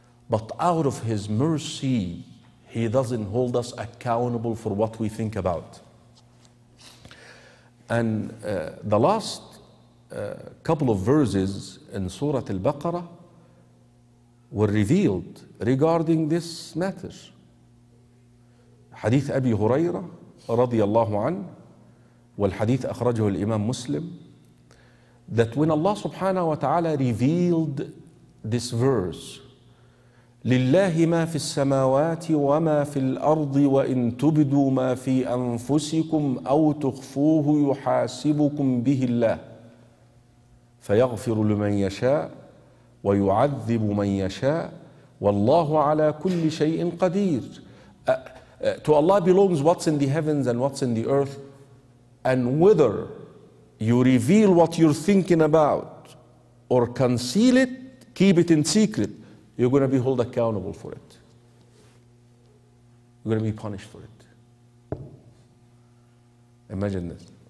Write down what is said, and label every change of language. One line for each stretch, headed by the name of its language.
English: But out of His mercy, He doesn't hold us accountable for what we think about. And the last couple of verses in Surah Al-Baqarah were revealed regarding this matter. Hadith Abi Huraira, radiyallahu anhu, wal hadith akhrajahu al-Imam Muslim, that when Allah subhanahu wa ta'ala revealed this verse,
Arabic: لله ما في السماوات وما في الأرض وإن تبدوا ما في أنفسكم أو تخفوه يحاسبكم به الله فيغفر لمن يشاء ويعذب من يشاء والله على كل شيء قدير.
English: To Allah belongs what's in the heavens and what's in the earth, and whether you reveal what you're thinking about or conceal it, keep it in secret, you're going to be held accountable for it. You're going to be punished for it. Imagine this.